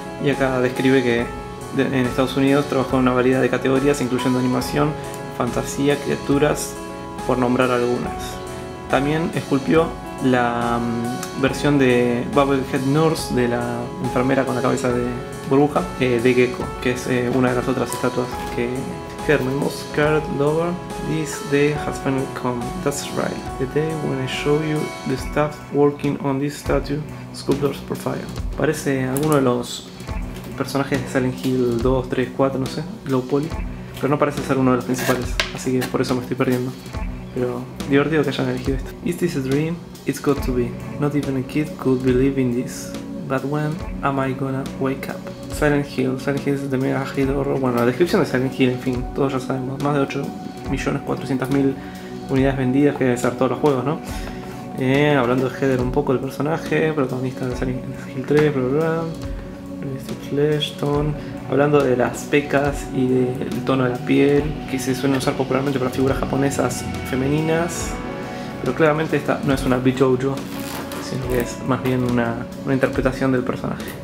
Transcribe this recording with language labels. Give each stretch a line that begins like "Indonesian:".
Spanish: Y acá describe que en Estados Unidos trabajó en una variedad de categorías, incluyendo animación, fantasía, criaturas, por nombrar algunas. También esculpió la versión de Bubblehead Nurse, de la enfermera con la cabeza de burbuja, de Gecko, que es una de las otras estatuas que Herman
English: most scared lover. This day has finally come. That's right. The day when I show you the staff working on this statue, sculptor's profile.
Spanish: Parece alguno de los personajes de Silent Hill 2, 3, 4, no sé, Low Poly, pero no parece ser uno de los principales, así que por eso me estoy perdiendo. Pero divertido que hayan elegido esto.
English: Is this a dream? It's got to be. Not even a kid could believe in this. But when am I gonna wake up? Silent Hill
Spanish: es de mega hit horror. Bueno, la descripción de Silent Hill, en fin, todos ya sabemos. Más de 8.400.000 unidades vendidas, que deben ser todos los juegos, ¿no? Hablando de Heather un poco, el personaje, protagonista de Silent Hill 3, bla bla bla. Fleshstone, hablando de las pecas y del tono de la piel que se suelen usar popularmente para figuras japonesas femeninas, pero claramente esta no es una Bijoujo, sino que es más bien una interpretación del personaje.